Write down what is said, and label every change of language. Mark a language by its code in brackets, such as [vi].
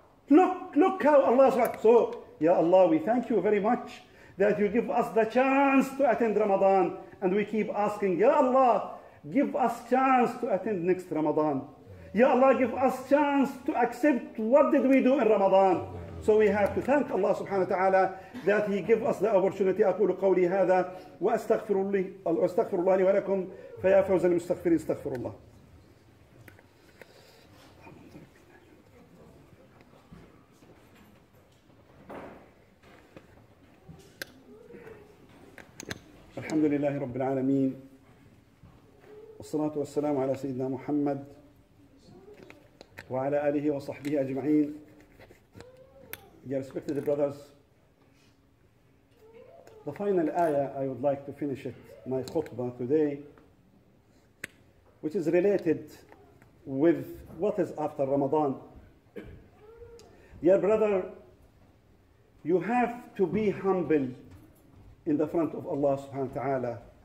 [en] Look how Allah said. So, Ya Allah, we thank you very much that you give us the chance to attend Ramadan. And we keep asking, Ya Allah, give us chance to attend next Ramadan. Ya Allah, give us chance to accept what did we do in Ramadan. So we have to thank Allah subhanahu wa ta'ala that he give us the opportunity. [ar] أقول قولي هذا وأستغفر الله لي ولكم فيا فوز المستغفرين استغفر الله. الحمد لله رب العالمين والصلاة والسلام على سيدنا محمد وعلى آله وصحبه أجمعين. [en] Dear respected brothers, the final ayah, I would like to finish it, my khutbah today, which is related with what is after Ramadan. Dear brother, you have to be humble in the front of Allah subhanahu wa ta'ala.